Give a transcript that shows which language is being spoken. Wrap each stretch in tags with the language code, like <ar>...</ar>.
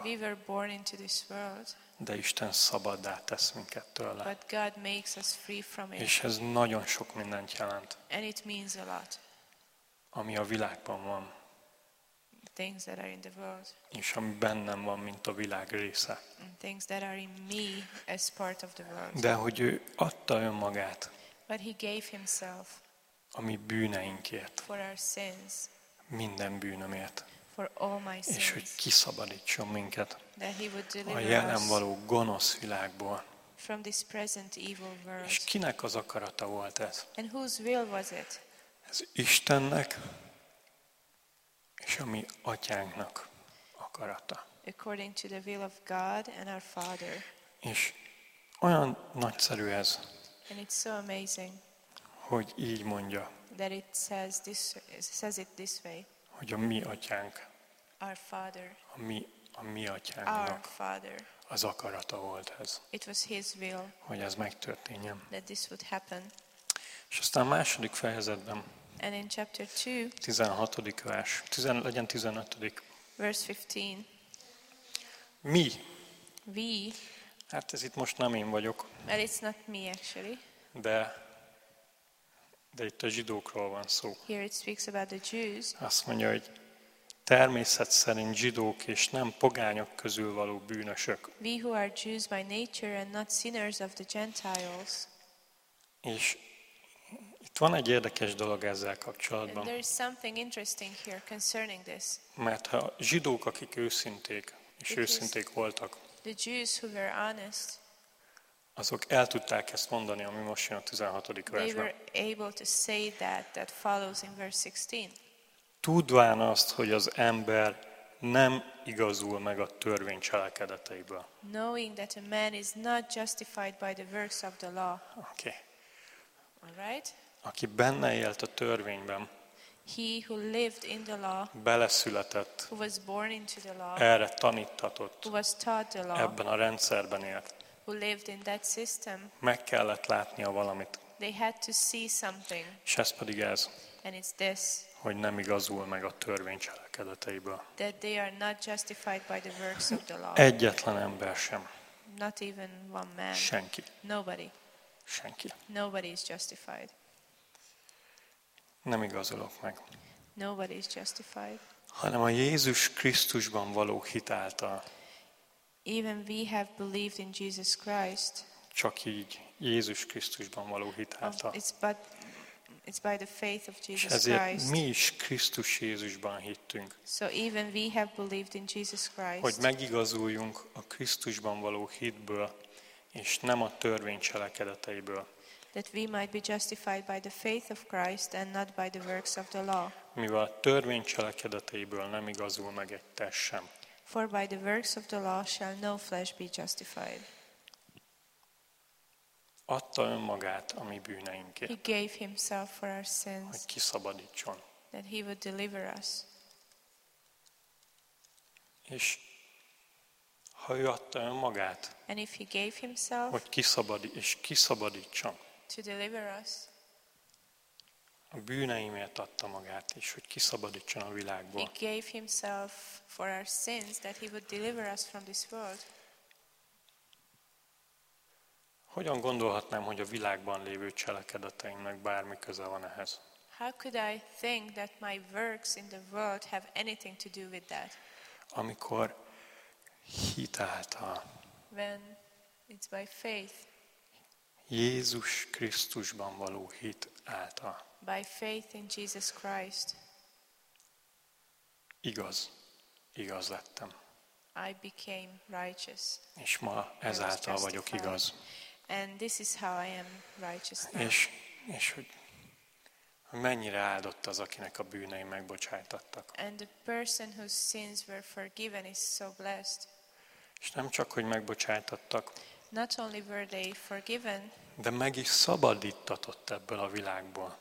<en>We were born into this world.</en> <hu>De Isten szabaddá tesz minket tőle.</hu> <en>But God makes us free from it.</en> <hu>És ez nagyon sok mindent jelent.</hu> <en>And it means a lot.</en> <hu>Ami a világban van.</hu> <en>Things that are in the world.</en> <hu>És ami bennem van, mint a világ része.</hu> <en>And things that are in me as part of the world.</en> <hu>De hogy ő adta önmagát.</hu> <en>But he gave himself.</en> <hu>A mi bűneinkért.</hu> <en>For our sins.</en> <hu>Minden bűnömért.</hu> <en>For all my sins.</en> <hu>És hogy kiszabadítson minket.</hu> <en>That he would deliver</en> <hu>a jelen való gonosz világból.</hu> <en>From this present evil world.</en> <hu>És kinek az akarata volt ez?</hu> <en>And whose will was it?</en> <hu>Ez Istennek és a mi atyánknak akarata.</hu> <en>According to the will of God and our Father.</en> <hu>És olyan nagyszerű ez.</hu> <en>And it's so amazing.</en> <hu>Hogy így mondja.</hu> <en>That it says it this way.</en> <hu>Hogy a mi atyánk.</hu> <en>our father.</en> <hu>A mi atyánknak.</hu> <en>Our father.</en> <hu>Az akarata volt ez.</hu> <en>It was his will.</en> <hu>Hogy ez megtörténjen.</hu> <en>That this would happen.</en> <hu>És aztán második fejezetben.</hu> <en>And in chapter 2.</en> <hu>16. vers. Legyen 15.</hu> <en>Verse 15.</en> <hu>Mi?</hu> <en>We.</en> <hu>Hát ez itt most nem én vagyok.</hu> <en>Well, it's not me actually.</en> <hu>De itt a zsidókról van szó.</hu> <en>Here it speaks about the Jews.</en> <hu>Azt mondja, hogy természet szerint zsidók és nem pogányok közül való bűnösök.</hu> <en>We who are Jews by nature and not sinners of the Gentiles.</en> <hu>És itt van egy érdekes dolog ezzel kapcsolatban.</hu> <en>There is something interesting here concerning this.</en> <hu>Mert ha zsidók, akik őszinték, és őszinték voltak,</hu> <en>the Jews who were honest,</en> <hu>azok el tudták ezt mondani, ami most jön a 16. versben.</hu> <en>They were able to say that follows in verse 16.</en> <hu>Tudván azt, hogy az ember nem igazul meg a törvény cselekedeteiből.</hu> <en>Knowing that a man is not justified by the works of the law. Okay. All right.</en> <hu>Aki benne élt a törvényben.</hu> <en>He who lived in the law.</en> <hu>Beleszületett.</hu> <en>Who was born into the law.</en> <hu>Erre tanítatott.</hu> <en>Who was taught the law.</en> <hu>Ebben a rendszerben élt.</hu> <en>Who lived in that system.</en> <hu>Meg kellett látnia valamit.</hu> <en>They had to see something.</en> <hu>És ez pedig ez.</hu> <en>And it's this.</en> <hu>Hogy nem igazul meg a törvény cselekedeteiből.</hu> <en>That they are not justified by the works of the law.</en> <hu>Egyetlen ember sem.</hu> <en>Not even one man.</en> <hu>Senki.</hu> <en>Nobody.</en> <hu>Senki.</hu> <en>Nobody is justified.</en> <hu>Nem igazulok meg.</hu> <en>Nobody is justified.</en> <hu>Hanem a Jézus Krisztusban való hit által.</hu> <en>Even we have believed in Jesus Christ.</en> <hu>Csak így Jézus Krisztusban való hit által.</hu> <en>It's by the faith of Jesus Christ. És</en> <hu>ezért mi is Krisztus Jézusban hittünk.</hu> <en>So even we have believed in Jesus Christ.</en> <hu>Hogy megigazuljunk a Krisztusban való hitből, és nem a törvény cselekedeteiből.</hu> <en>That we might be justified by the faith of Christ and not by the works of the law.</en> <hu>Mivel a törvény cselekedeteiből nem igazul meg egy test sem.</hu> <en>For by the works of the law shall no flesh be justified.</en> <hu>Adta önmagát a mi bűneinkért.</hu> <en>He gave himself for our sins.</en> <hu>Hogy kiszabadítson.</hu> <en>That he would deliver us.</en> <hu>És ha ő adta önmagát.</hu> <en>And if he gave himself.</en> <hu>Hogy kiszabadítson.</hu> <en>To deliver us.</en> <hu>A bűneimért adta magát, és hogy kiszabadítson a világból.</hu> <en>He gave himself for our sins, that he would deliver us from this world.</en> <hu>Hogyan gondolhatnám, hogy a világban lévő cselekedeteimnek bármi köze van ehhez?</hu> <en>How could I think that my works in the world have anything to do with that?</en> <hu>Amikor hit által.</hu> <en>When it's by faith.</en> <hu>Jézus Krisztusban való hit által.</hu> <en>By faith in Jesus Christ.</en> <hu>Igaz lettem.</hu> <en>I became righteous.</en> <hu>És ma ezáltal vagyok igaz.</hu> <en>And this is how I am righteous now.</en> <hu>És hogy mennyire áldott az, akinek a bűnei megbocsájtattak.</hu> <en>And the person whose sins were forgiven is so blessed.</en> <hu>És nem csak, hogy megbocsájtattak.</hu> <en>Not only were they forgiven.</en> <hu>De meg is szabadítatott ebből a világból.</hu>